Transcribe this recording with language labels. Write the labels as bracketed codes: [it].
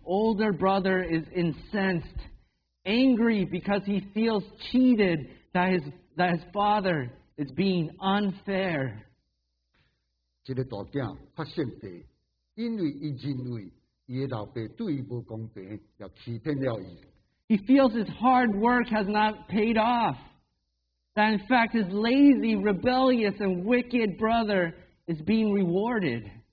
[en] older brother is incensed, angry because he feels cheated that his father is being unfair. [zh] 因为他认为他的老爸对他不公平，也欺骗了他。 [en] He feels his hard work has not paid off, that in fact his lazy, rebellious, and wicked brother is being rewarded.